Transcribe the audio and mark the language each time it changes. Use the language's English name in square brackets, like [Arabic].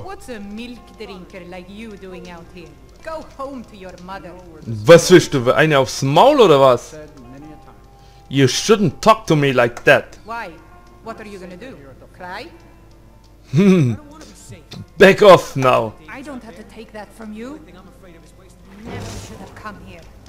[English] What's a milk drinker like you doing out here? Go home to your mother. [German] Was willst du, eine aufs Maul oder was? [English] You shouldn't talk to me like that. Why? What are you gonna do? Cry? Back off now. I don't have to take that from you. Never should have come here.